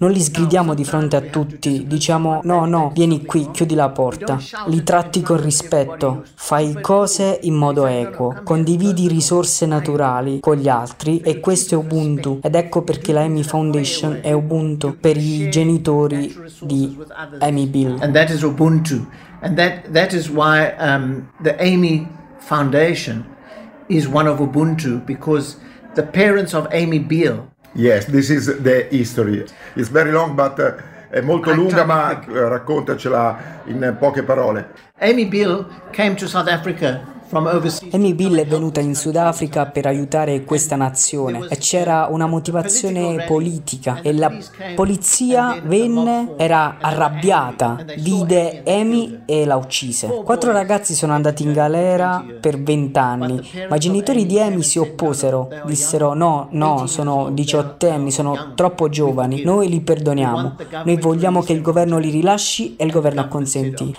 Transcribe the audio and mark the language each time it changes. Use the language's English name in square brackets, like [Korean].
[Italian] Non li sgridiamo di fronte a tutti, diciamo no, no, vieni qui, chiudi la porta. Li tratti con rispetto, fai cose in modo equo, condividi risorse naturali con gli altri, e questo è Ubuntu. Ed ecco perché la AMI Foundation è Ubuntu per i genitori di AMI Bill. [English] And that is Ubuntu. And that is why the AMI Foundation is one of Ubuntu, because the parents of AMI Bill. Yes, this is the history. It's very long, but [Italian] è molto lunga, ma raccontacela in poche parole. [English] AMI Bill came to South Africa [Italian] Amy Bill è venuta in Sudafrica per aiutare questa nazione e c'era una motivazione politica e la polizia venne, era arrabbiata, vide Amy e la uccise. Quattro ragazzi sono andati in galera per 20 anni, ma i genitori di Amy si opposero, dissero no, sono 18 anni, sono troppo giovani, noi li perdoniamo, noi vogliamo che il governo li rilasci e il governo acconsentì.